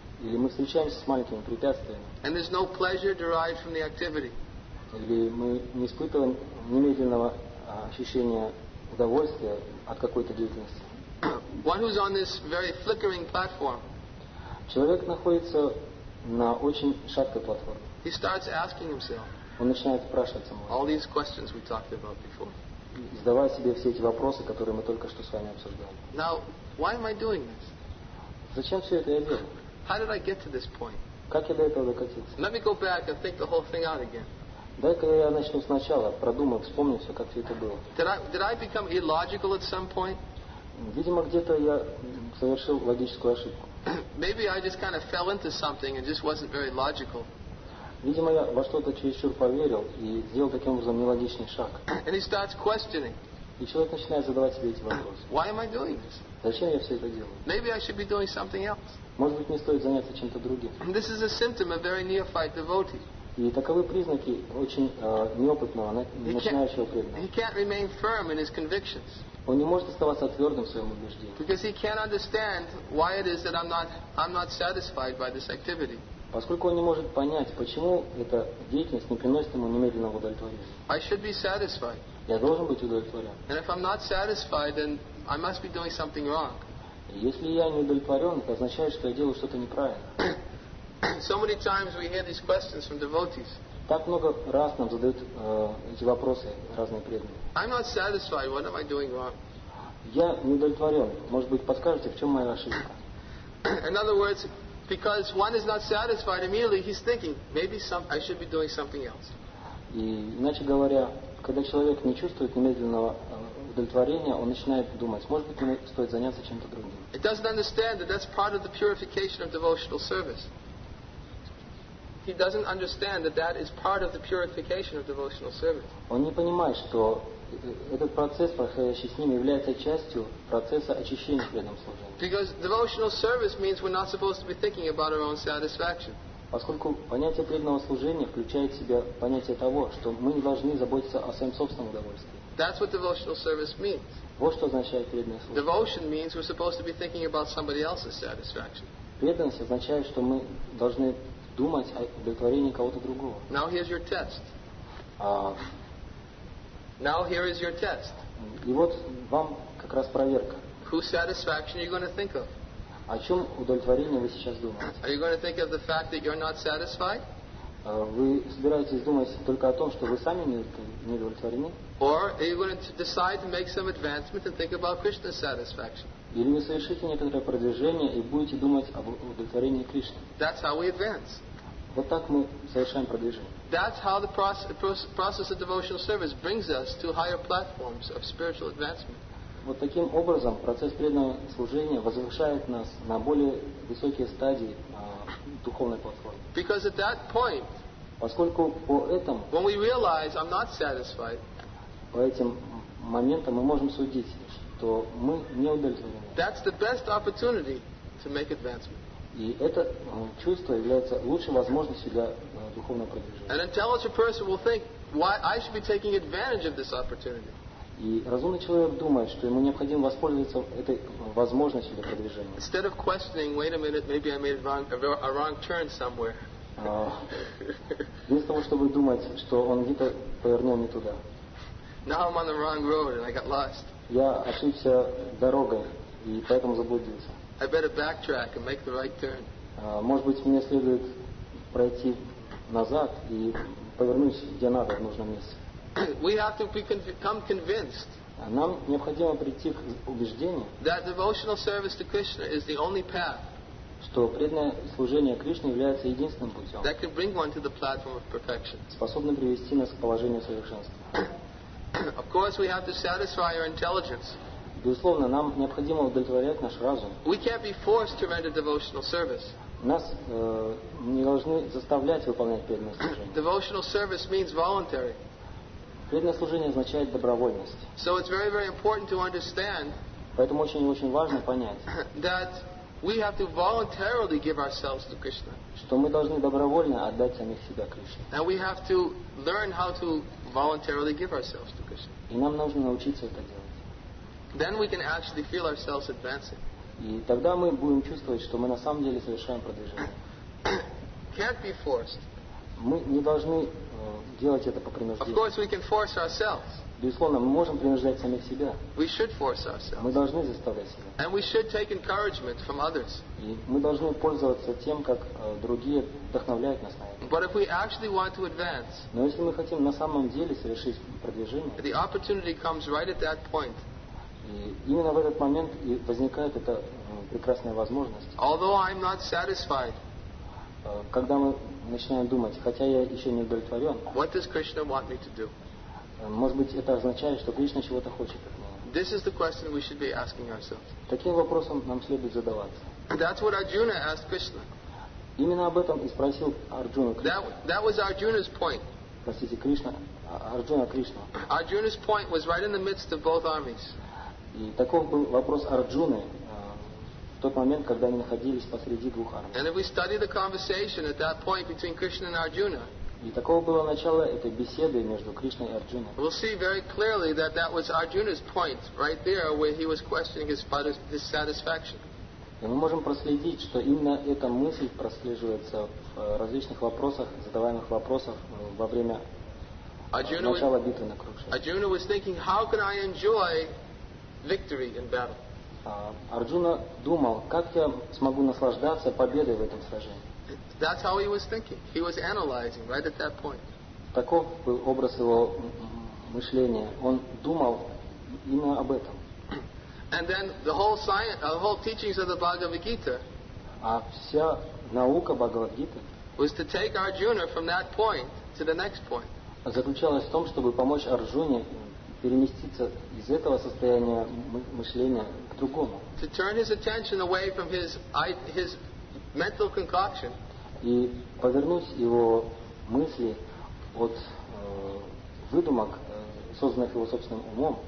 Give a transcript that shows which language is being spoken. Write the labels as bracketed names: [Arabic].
[Russian] или мы встречаемся с маленькими препятствиями, [English] and there's no pleasure derived from the activity, [Russian] или мы не испытываем немедленного ощущения удовольствия от какой-то деятельности. [English] One who's on this very flickering platform, [Russian] человек находится на очень шаткой платформе. [English] He starts asking himself, [Russian] он начинает спрашивать самого [English] all these questions we talked about before, [Russian] задавая себе все эти вопросы, которые мы только что с вами обсуждали. [English] Now, why am I doing this? [Russian] Зачем все это я делаю? [English] How did I get to this point? [Russian] Как я до этого докатился? [English] Let me go back and think the whole thing out again. [Russian] Дай-ка я начну сначала, продумать, вспомнить все, как все это было. [English] Did I become illogical at some point? [Russian] Видимо, где-то я совершил логическую ошибку. [English] Maybe I just kind of fell into something and just wasn't very logical. [Russian] Видимо, я во что-то чересчур поверил и сделал таким образом нелогичный шаг. [English] And he starts questioning. [Russian] И человек начинает задавать себе эти вопросы. [English] Why am I doing this? [Russian] Зачем я все это делаю? [English] Maybe I should be doing something else. [Russian] Может быть, мне стоит заняться чем-то другим. [English] This is a symptom of very neophyte devotee. [Russian] И таковы признаки очень неопытного, начинающего преданного. [English] He can't remain firm in his convictions. [Russian] Он не может оставаться твердым в своем убеждении. [English] Because he can't understand why it is that I'm not satisfied by this activity. [Russian] Поскольку он не может понять, почему эта деятельность не приносит ему немедленного удовлетворения. [English] I should be satisfied. [Russian] Я должен быть удовлетворен. [English] And if I'm not satisfied, then I must be doing something wrong. [Russian] Если я не удовлетворен, это означает, что я делаю что-то неправильно. [English] So many times we hear these questions from devotees. [Russian] Так много раз нам задают эти вопросы разные преданные. [English] I'm not satisfied. What am I doing wrong? [Russian] Я не удовлетворен. Может быть, подскажете, в чем моя ошибка? [English] In other words, because one is not satisfied immediately, he's thinking maybe I should be doing something else. [Russian] И иначе говоря, когда человек не чувствует немедленного удовлетворения, он начинает думать, может быть, ему стоит заняться чем-то другим. [English] He doesn't understand that that's part of the purification of devotional service. He doesn't understand that that is part of the purification of devotional service. [Russian] Он не понимает, что этот процесс, проходящий с ним, является частью процесса очищения преданного служения. [English] Because devotional service means we're not supposed to be thinking about our own satisfaction. [Russian] Поскольку понятие преданного служения включает в себя понятие того, что мы не должны заботиться о своем собственном удовольствии. [English] That's what devotional service means. [Russian] Вот что означает преданное служение. [English] Devotion means we're supposed to be thinking about somebody else's satisfaction. [Russian] Преданность означает, что мы должны думать о удовлетворении кого-то другого. [English] Now here's your test. Now here is your test. [Russian] И вот вам как раз проверка. [English] Whose satisfaction are you going to think of? [Russian] О чем удовлетворение вы сейчас думаете? [English] Are you going to think of the fact that you're not satisfied? [Russian] Вы собираетесь думать только о том, что вы сами не удовлетворены? [English] Or are you going to decide to make some advancement and think about Krishna's satisfaction? [Russian] Или вы совершите некоторое продвижение и будете думать об удовлетворении Кришны? [English] That's how we advance. [Russian] Вот так мы совершаем продвижение. [English] That's how the process of devotional service brings us to higher platforms of spiritual advancement. [Russian] Вот таким образом процесс преданного служения возвышает нас на более высокие стадии духовной платформы. [English] Because at that point, [Russian] поскольку по этому, [English] when we realize I'm not satisfied, [Russian] по этим моментам мы можем судить, что мы не удовлетворены. [English] That's the best opportunity to make advancement. [Russian] И это чувство является лучшей возможностью для духовного продвижения. [English] An intelligent person will think why I should be taking advantage of this opportunity. [Russian] И разумный человек думает, что ему необходимо воспользоваться этой возможностью для продвижения. [English] Instead of questioning, wait a minute, maybe I made a wrong turn somewhere. [Russian] Вместо того, чтобы думать, что он где-то повернул не туда. [English] Now I'm on the wrong road and I got lost. [Russian] Я ошибся дорогой и поэтому заблудился. [English] I better backtrack and make the right turn. [Russian] Может быть, мне следует пройти назад и повернуть где надо, в нужном месте. [English] We have to become convinced. [Russian] Нам необходимо прийти к убеждению. [English] That devotional service to Krishna is the only path. [Russian] Что преданное служение Кришне является единственным путем. [English] That can bring one to the platform of perfection. [Russian] Способным привести нас к положению совершенства. [English] Of course, we have to satisfy our intelligence. [Russian] Безусловно, нам необходимо удовлетворять наш разум. [English] We can't be forced to render devotional service. [Russian] Нас не должны заставлять выполнять преданное служение. [English] Devotional service means voluntary. [Russian] Преданное служение означает добровольность. [English] So it's very, very important to understand, [Russian] поэтому очень-очень важно понять, [English] that we have to voluntarily give ourselves to Krishna. [Russian] Что мы должны добровольно отдать самих себя Кришне. [English] And we have to learn how to voluntarily give ourselves to Krishna. [Russian] И нам нужно научиться это делать. [English] Then we can actually feel ourselves advancing. [Russian] И тогда мы будем чувствовать, что мы на самом деле совершаем продвижение. [English] Can't be forced. [Russian] Мы не должны делать это по принуждению. [English] Of course, we can force ourselves. [Russian] Безусловно, мы можем принуждать самих себя. [English] We should force ourselves. [Russian] Мы должны заставлять себя. [English] And we should take encouragement from others. [Russian] И мы должны пользоваться тем, как другие вдохновляют нас на это. [English] But if we actually want to advance, [Russian] но если мы хотим на самом деле совершить продвижение, [English] the opportunity comes right at that point. [Russian] И именно в этот момент и возникает эта прекрасная возможность. [English] Although I'm not satisfied, [Russian] когда мы начинаем думать, хотя я еще не удовлетворен. [English] What does Krishna want me to do? [Russian] Может быть, это означает, что Кришна чего-то хочет от меня. [English] This is the question we should be asking ourselves. [Russian] Таким вопросом нам следует задаваться. [English] That's what Arjuna asked Krishna. [Russian] Именно об этом и спросил Арджуна Кришна. [English] That was Arjuna's point. [Russian] Простите, Кришна, Арджуна Кришна. [English] Arjuna's point was right in the midst of both armies. [Russian] И таков был вопрос Арджуны. В тот момент, когда они находились посреди двух армий. [English] And if we study the conversation at that point between Krishna and Arjuna, [Russian] и такого было начало этой беседы между Кришной и Арджуной. [English] We'll see very clearly that was Arjuna's point right there where he was questioning his satisfaction. [Russian] И мы можем проследить, что именно эта мысль прослеживается в различных вопросах, задаваемых вопросах во время начала битвы на Курукшетре. [English] Arjuna was thinking, how can I enjoy victory in battle? [Russian] Арджуна думал, как я смогу наслаждаться победой в этом сражении. [English] That's how he was thinking. He was analyzing right at that point. [Russian] Таков был образ его мышления. Он думал именно об этом. [English] And then the whole science, the whole teachings of the Bhagavad Gita. [Russian] А вся наука Бхагавад Гиты [English] was to take Arjuna from that point to the next point. [Russian] Заключалась в том, чтобы помочь Арджуне переместиться из этого состояния мышления. [English] To turn his attention away from his mental concoction. [Russian] И повернуть его мысли от выдумок, созданных его собственным умом.